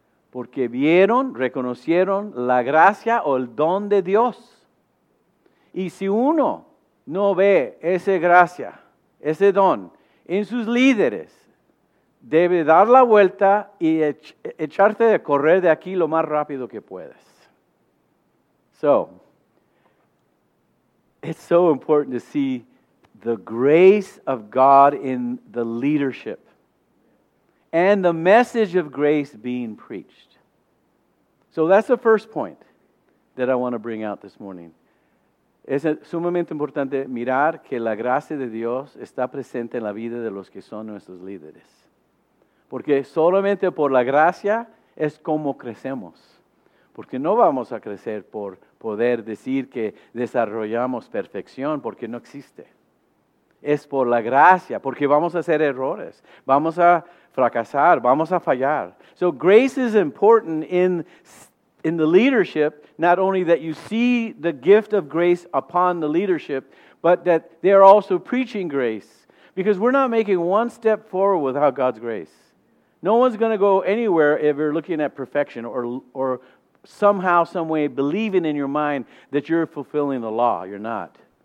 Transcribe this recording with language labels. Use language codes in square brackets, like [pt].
[es] Porque vieron, reconocieron la gracia o el don de Dios. Y si uno no ve esa gracia, ese don en sus líderes, debe dar la vuelta y echarte de correr de aquí lo más rápido que puedes. [en] So, it's so important to see the grace of God in the leadership and the message of grace being preached. So that's the first point that I want to bring out this morning. [es] Es sumamente importante mirar que la gracia de Dios está presente en la vida de los que son nuestros líderes. Porque solamente por la gracia es como crecemos. Porque no vamos a crecer por poder decir que desarrollamos perfección, porque no existe. Es por la gracia, porque vamos a hacer errores, vamos a fracasar, vamos a fallar. [en] So grace is important in the leadership, not only that you see the gift of grace upon the leadership, but that they are also preaching grace. Because we're not making one step forward without God's grace. No one's going to go anywhere if you're looking at perfection or somehow, some way, believing in your mind that you're fulfilling the law. You're not.